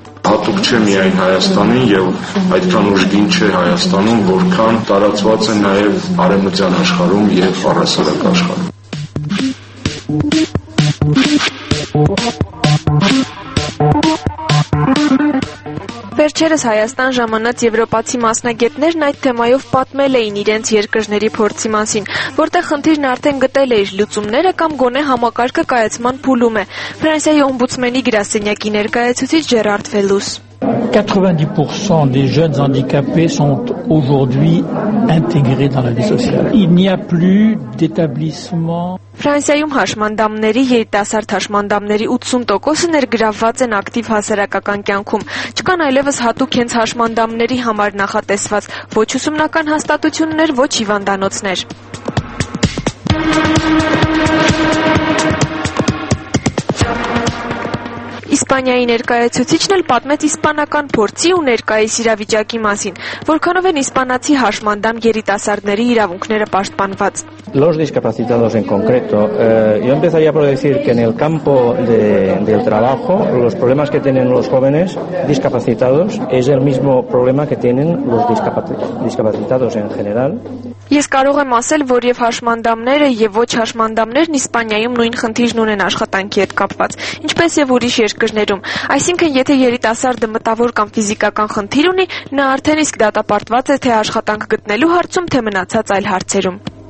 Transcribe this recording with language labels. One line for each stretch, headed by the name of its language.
Armenian: Հատուկ չէ միայն Հայաստանին եւ այդքան ուժգին չէ Հայաստանում, որքան տարածված է նաեւ արևմտյան աշխարհում եւ առասարակ աշխարհում։ Վերջերս Հայաստան ժամանած եվրոպացի մասնագետներն այդ թեմայով պատմել էին իրենց երկրների փորձի մասին, որտեղ խնդիրն արդեն գտել է իր լուծումները կամ գոնե համակարգը կայացման փուլում է։ Ֆրանսիայի օմբուդսմենի գրասենյակի ներկայացուցիչ Ջերարդ Ֆելուս.
French: 90% des jeunes handicapés sont aujourd'hui intégrés dans la vie sociale. Il n'y a plus d'établissement.
Armenian: Ֆրանսիայում հաշմանդամների 7000 հաշմանդամների 80%-ը ներգրավված են ակտիվ հասարակական կյանքում։ Չկան այլևս հատուկ հենց հաշմանդամների համար նախատեսված ոչ ուսումնական հաստատություններ, ոչ հիվանդանոցներ։ Իսպանիայի ներկայացուցիչն էլ պատմեց իսպանական փորձի ու ներկայիս իրավիճակի մասին, որքանով են իսպանացի հաշմանդամ երիտասարդների իրավունքները պաշտպանված։
Spanish: Los discapacitados en concreto, yo empezaría por decir que en el campo del trabajo, los problemas que tienen los jóvenes discapacitados es el mismo problema que tienen los discapacitados en general.
Armenian: Ես կարող եմ ասել, որ եւ հաշմանդամները եւ ոչ հաշմանդամներն Իսպանիայում նույն խնդիրն ունեն աշխատանքի հետ կապված, ինչպես եւ ուրիշ երկրներում։ Այսինքն, եթե երիտասարդը մտավոր կամ ֆիզիկական խնդիր ունի, նա արդեն իսկ դատապարտված է թե աշխատանք գտնելու հարցում, թե մնացած այլ հարցերում։